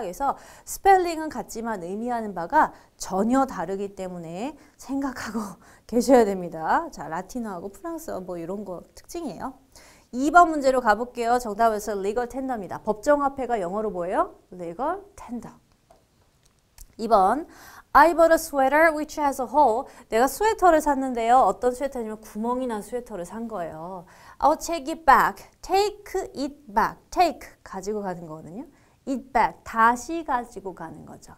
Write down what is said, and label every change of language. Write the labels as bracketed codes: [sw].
[ko] 그래서 스펠링은 같지만 의미하는 바가 전혀 다르기 때문에 생각하고 계셔야 됩니다. 자, 라틴어하고 프랑스어 뭐 이런 거 특징이에요. 2번 문제로 가볼게요. 정답은 legal tender입니다. 법정화폐가 영어로 뭐예요? legal tender. [en] 2번, I bought a sweater which has a hole. [ko] 내가 스웨터를 샀는데요. 어떤 스웨터냐면 구멍이 난 스웨터를 산 거예요. [en] I'll take it back. Take it back. [ko] Take, 가지고 가는 거거든요. It back, 다시 가지고 가는 거죠.